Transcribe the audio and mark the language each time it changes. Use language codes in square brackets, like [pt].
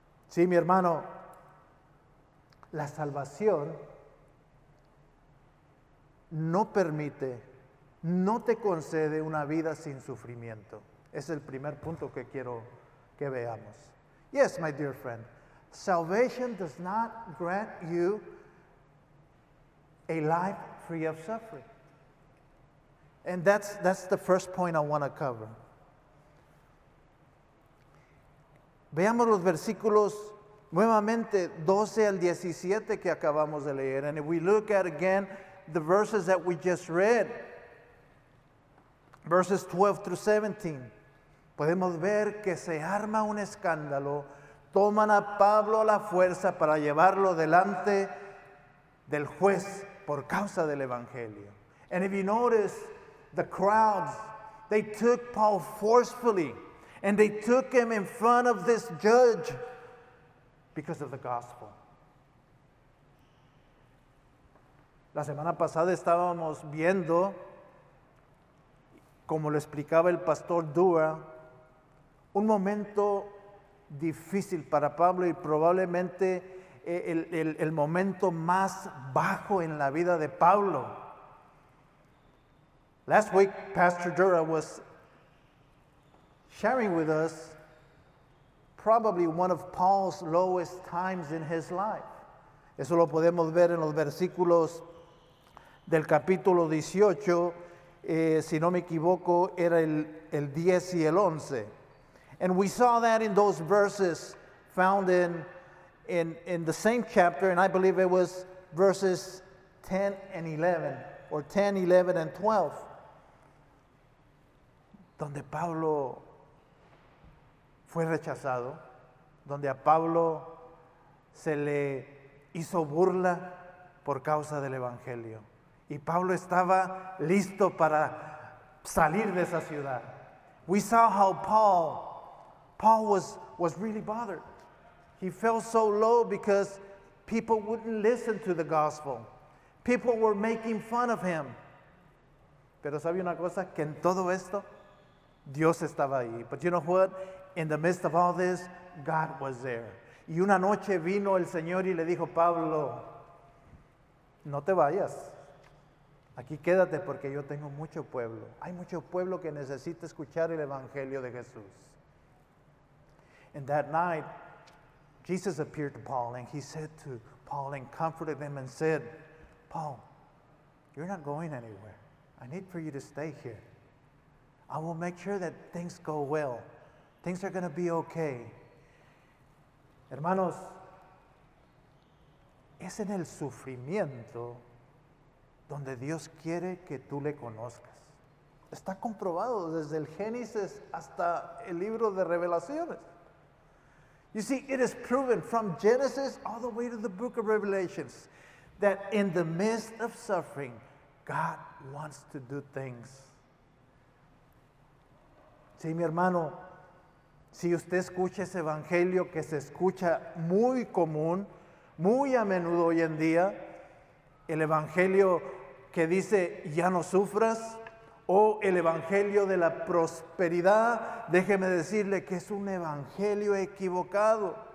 [es] Sí, mi hermano, la salvación no permite, no te concede una vida sin sufrimiento. Es el primer punto que quiero que veamos. [en] Yes, my dear friend, Salvation does not grant you a life free of suffering. And that's the first point I want to cover. [es] Veamos los versículos nuevamente 12 al 17 que acabamos de leer. [en] And if we look at again the verses that we just read, verses 12 through 17, [es] podemos ver que se arma un escándalo. Toman a Pablo a la fuerza para llevarlo delante del juez por causa del evangelio. [en] And if you notice, the crowds, they took Paul forcefully and they took him in front of this judge because of the gospel. [es] La semana pasada estábamos viendo, como lo explicaba el pastor Dura, un momento difícil para Pablo y probablemente el momento más bajo en la vida de Pablo. [en] Last week, Pastor Dura was sharing with us probably one of Paul's lowest times in his life. [es] Eso lo podemos ver en los versículos del capítulo 18, si no me equivoco, era el 10 y el 11. [en] And we saw that in those verses found in the same chapter, and I believe it was verses 10 and 11, or 10, 11, and 12. [es] Donde Pablo fue rechazado, donde a Pablo se le hizo burla por causa del evangelio. Y Pablo estaba listo para salir de esa ciudad. [en] We saw how Paul was really bothered. He felt so low because people wouldn't listen to the gospel. People were making fun of him. [es] Pero sabe una cosa, que en todo esto, Dios estaba ahí. [en] But you know what? In the midst of all this, God was there. [es] Y una noche vino el Señor y le dijo, Pablo, no te vayas. Aquí quédate porque yo tengo mucho pueblo. Hay mucho pueblo que necesita escuchar el Evangelio de Jesús. [en] And that night, Jesus appeared to Paul and he said to Paul and comforted him and said, Paul, you're not going anywhere. I need for you to stay here. I will make sure that things go well. Things are going to be okay. [es] Hermanos, es en el sufrimiento donde Dios quiere que tú le conozcas. Está comprobado desde el Génesis hasta el libro de Revelaciones. [en] You see, it is proven from Genesis all the way to the book of Revelations that in the midst of suffering, God wants to do things. [es] Sí, mi hermano, si usted escucha ese evangelio que se escucha muy común, muy a menudo hoy en día, el evangelio que dice ya no sufras, o el evangelio de la prosperidad, déjeme decirle que es un evangelio equivocado.